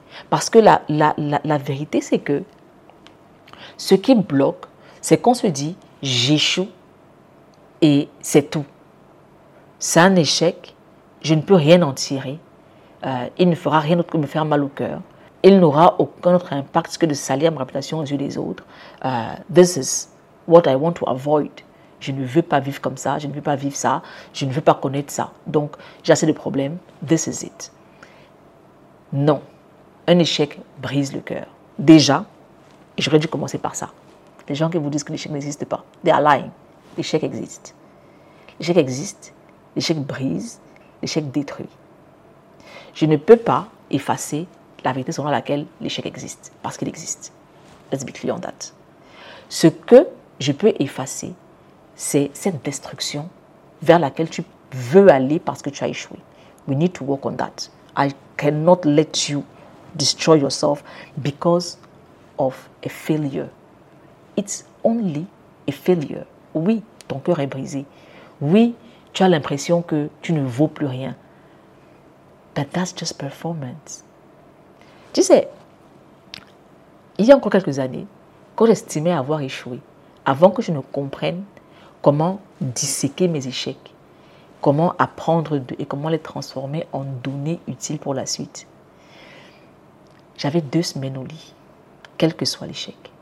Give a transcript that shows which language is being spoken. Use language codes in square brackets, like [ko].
[fr] Parce que la vérité, c'est que ce qui bloque, c'est qu'on se dit, j'échoue et c'est tout. C'est un échec, je ne peux rien en tirer, il ne fera rien d'autre que me faire mal au cœur. Il n'aura aucun autre impact que de salir ma réputation aux yeux des autres. [en] This is what I want to avoid. [fr] Je ne veux pas vivre comme ça. Je ne veux pas vivre ça. Je ne veux pas connaître ça. Donc, j'ai assez de problèmes. [en] This is it. [fr] Non. Un échec brise le cœur. Déjà, j'aurais dû commencer par ça. Les gens qui vous disent que l'échec n'existe pas, [en] they are lying. [fr] L'échec existe. L'échec existe. L'échec brise. L'échec détruit. Je ne peux pas effacer la vérité selon laquelle l'échec existe, parce qu'il existe. [en] Let's be clear on that. [fr] Ce que je peux effacer, c'est cette destruction vers laquelle tu veux aller parce que tu as échoué. [en] We need to work on that. I cannot let you destroy yourself because of a failure. It's only a failure. [fr] Oui, ton cœur est brisé. Oui, tu as l'impression que tu ne vaux plus rien. [en] But that's just performance. [fr] Tu sais, il y a encore quelques années, quand j'estimais avoir échoué, avant que je ne comprenne comment disséquer mes échecs, comment apprendre et comment les transformer en données utiles pour la suite, j'avais 2 semaines au lit, quel que soit l'échec.